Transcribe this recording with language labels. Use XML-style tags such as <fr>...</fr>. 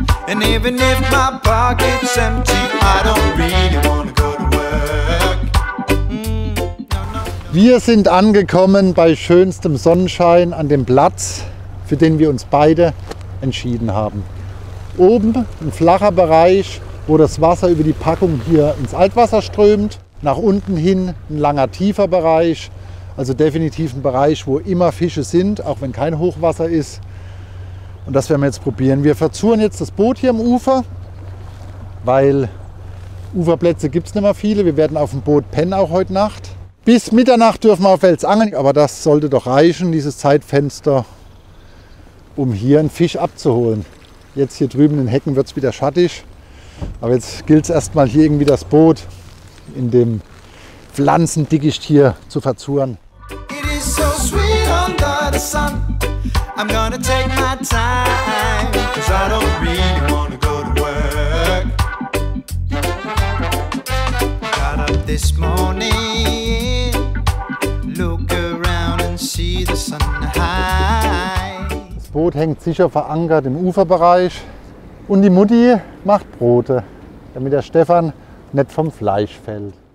<en>And even if my pocket's empty, I don't really wanna go to work.</en> <de>Wir sind angekommen bei schönstem Sonnenschein an dem Platz, für den wir uns beide entschieden haben. Oben ein flacher Bereich, wo das Wasser über die Packung hier ins Altwasser strömt. Nach unten hin ein langer, tiefer Bereich, also definitiv ein Bereich, wo immer Fische sind, auch wenn kein Hochwasser ist. Und das werden wir jetzt probieren. Wir verzuren jetzt das Boot hier am Ufer, weil Uferplätze gibt es nicht mehr viele. Wir werden auf dem Boot pennen auch heute Nacht. Bis Mitternacht dürfen wir auf Wels angeln, aber das sollte doch reichen, dieses Zeitfenster, um hier einen Fisch abzuholen. Jetzt hier drüben in den Hecken wird es wieder schattig, aber jetzt gilt es erstmal hier irgendwie das Boot in dem Pflanzendickicht hier zu verzuren.</de> <en>It is so sweet under the sun. I'm gonna take my time, 'cause I don't really wanna go to work. Got up this morning, look around and see the sun high.</en> <de>Das Boot hängt sicher verankert im Uferbereich und die Mutti macht Brote, damit der Stefan nicht vom Fleisch fällt.</de>